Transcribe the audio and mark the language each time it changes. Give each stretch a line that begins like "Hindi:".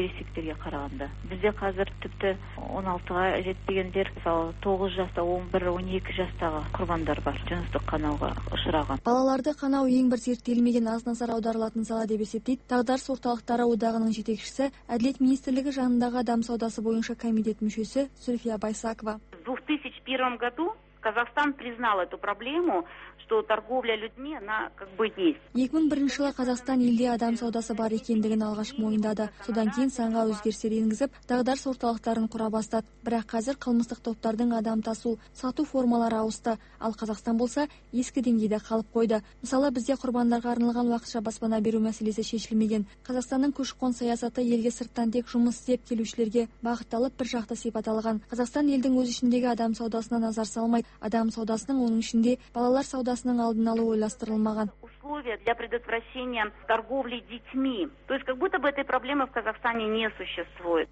Kazakh: Сектерге қарағанда бізде қазір тіпті 16-ға жетпегендер, мысалы 9 жаста, 11-12 жастағы құрбандар бар жыныстық қанауға ұшыраған. Балаларды қанау ең бір зерттелмеген аз назар аударылатын сала деп есептейді дағдарыс орталықтары одағының жетекшісі, әділет министрлігі жанындағы адам саудасы бойынша комитет мүшесі Сүлфия Байсакова.
Russian: 2001 году Казахстан признал эту проблему, что торговля людьми, она как бы есть.
Kazakh: 2001 жылы Қазақстан елде адам саудасы бар екендігін алғаш мойындады. Содан кейін санға өзгерістер енгізіп, дағдарыс орталықтарын құра бастады. Бірақ қазір қылмыстық топтардың адам тасу, сату формалары ауысты. Ал Қазақстан болса, ескі деңгейде қалып қойды. Мысалы, бізде құрбандарға арналған уақытша баспана беру мәселесі шешілмеген. Қазақстанның көші-қон саясаты елге сырттан тек жұмыс істеп келушілерге бағытталып бір жақты сипат алған. Қазақстан елдің өз ішіндегі адам саудасына назар салмай, адам саудасының оның ішінде балалар саудасының алдын алу ойластырылмаған.
Russian: Для предотвращения торговли детьми. То есть как будто бы этой проблемы в Казахстане не существует.